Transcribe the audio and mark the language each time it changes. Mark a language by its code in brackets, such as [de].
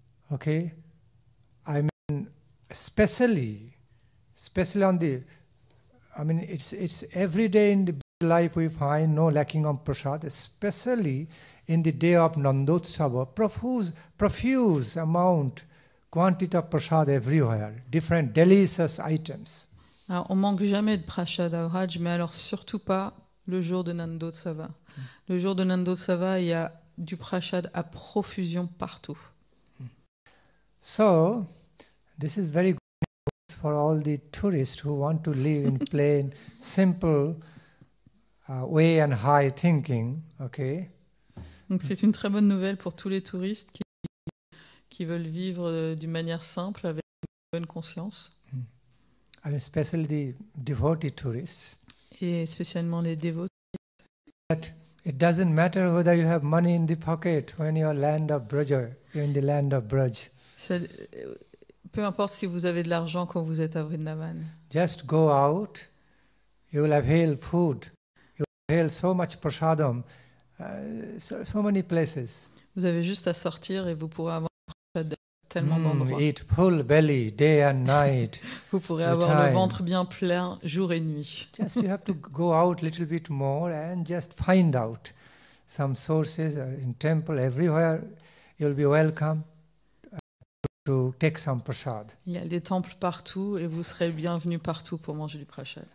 [en] Okay, I mean, especially on the, I mean, it's every day in the life we find no lacking of prasad, especially in the day of Nandotsava, profuse amount, quantity of prasad everywhere, different delicious items. [fr] Alors, on manque jamais de prasad à Braj, mais alors surtout pas le jour de Nandotsava. Le jour de Nandotsava, il y a du prasad à profusion partout. [en] So, this is very good news for all the tourists who want to live in plain, simple way and high thinking. Okay. [fr] Donc c'est une très bonne nouvelle pour tous les touristes qui veulent vivre d'une manière simple avec bonne conscience. [en] And especially the devoted tourists. [fr] Et spécialement les dévots. [en] But it doesn't matter whether you have money in the pocket when you are land of Braj, you're in the land of Braj. [fr] Peu importe si vous avez de l'argent quand vous êtes à Vrindavan. [en] Just go out, you will have healed food, you will have healed so much prasadam, so many places. [fr] Vous avez juste à sortir et vous pourrez avoir tellement d'endroits. [en] Eat full belly, day and night. [fr] Vous pourrez avoir le ventre bien plein jour et nuit. [en] Just you have to go out a little bit more and just find out some sources in temple everywhere. You'll be welcome to take some prasad. [fr] Il y a des temples partout et vous serez bienvenus partout pour manger du prasad.